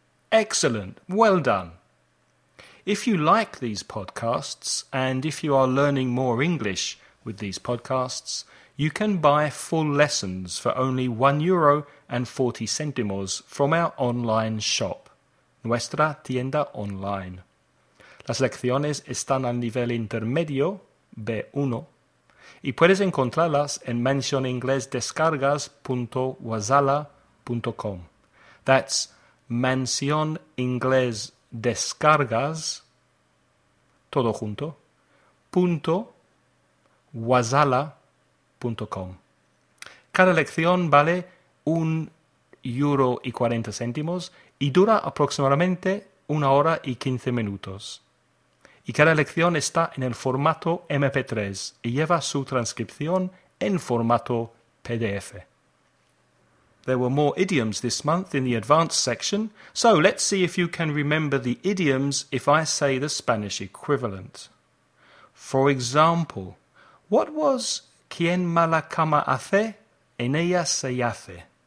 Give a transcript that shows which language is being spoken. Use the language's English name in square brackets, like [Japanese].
[English] Excellent. Well done. If you like these podcasts and if you are learning more English with these podcasts, you can buy full lessons for only 1 euro and 40 centimos from our online shop, [Spanish] Nuestra Tienda Online. Las lecciones están al nivel intermedio, B1, y puedes encontrarlas en mansioninglesdescargas.wasala.com. [English] That's mansioninglesdescargas, [Spanish] todo junto, [English] .wasala.com. [Spanish] Cada lección vale 1 euro y 40 céntimos y dura aproximadamente 1 hora y 15 minutos. Y cada lección está en el formato MP3 y lleva su transcripción en formato PDF. [English] There were more idioms this month in the advanced section, so let's see if you can remember the idioms if I say the Spanish equivalent. For example, what was [Spanish] quien mala cama hace, en ella se hace?